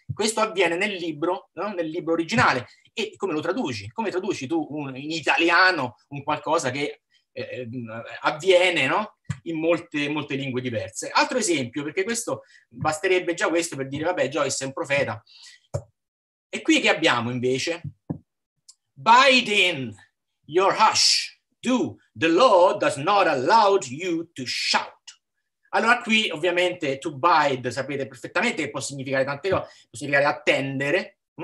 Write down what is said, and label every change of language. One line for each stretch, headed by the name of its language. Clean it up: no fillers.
Italian: Questo avviene nel libro, no? Nel libro originale. E come lo traduci? Come traduci tu in italiano un qualcosa che avviene, no? In molte, molte lingue diverse? Altro esempio, perché questo basterebbe già questo per dire, vabbè, Joyce è un profeta. E qui che abbiamo invece?
English: Biden, your hush. The law does not allow you to shout.
Italian: Allora qui ovviamente to bide, sapete perfettamente che può significare tante cose, può significare attendere.